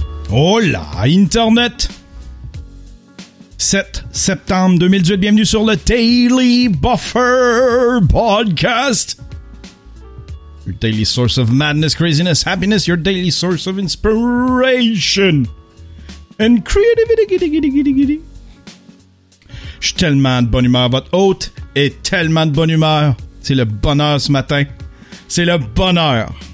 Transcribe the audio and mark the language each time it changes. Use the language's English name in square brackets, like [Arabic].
[Spanish] Hola, [French] Internet! 7 septembre 2018, bienvenue sur le Daily Buffer Podcast! [English] Your daily source of madness, craziness, happiness, your daily source of inspiration! And creativity, giddy. [French] Je suis tellement de bonne humeur, votre hôte est tellement de bonne humeur! C'est le bonheur ce matin! C'est le bonheur!